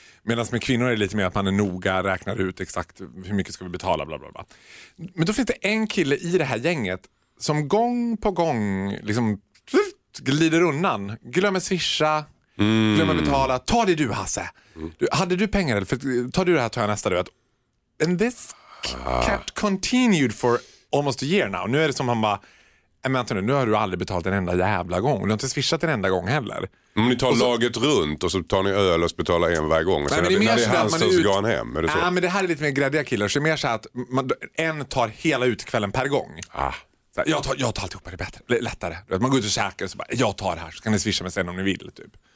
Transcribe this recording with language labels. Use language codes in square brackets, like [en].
[sv] Medan med kvinnor är det lite mer att man är noga, räknar ut exakt hur mycket ska vi betala, bla bla bla. Men då finns det en kille i det här gänget som gång på gång liksom glider undan. Glömmer swisha, glömmer betala. Ta det du, Hasse. Du, hade du pengar? Eller? För, ta du det här, tar jag nästa. Du. [en] And this kept continued for almost a year now. [sv] Nu är det som han bara... Vänta nu har du aldrig betalat en enda jävla gång. Du har inte swishat en enda gång heller. Om ni tar laget runt och så tar ni öl och betalar en varje gång. Nej, men det är mer så att man är ut... Ja, men det här är lite mer gräddiga killar. Så det är mer så att man, en tar hela utkvällen per gång. Ah. Så här, jag tar alltihopa, det är bättre, lättare. Man går ut och käkar och så bara, jag tar det här. Så kan ni swisha mig sen om ni vill, typ.